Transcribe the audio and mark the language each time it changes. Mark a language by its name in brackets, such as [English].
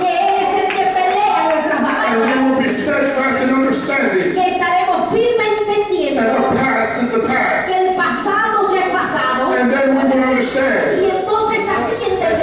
[Spanish] Que él es el que pelea nuestras batallas. [English] And we will be steadfast in understanding. [Spanish] Que estaremos firmes entendiendo. [English] That the past is the past. [Spanish] Que el pasado ya es pasado. [English] And then we will understand. [Spanish] Y entonces así entenderemos.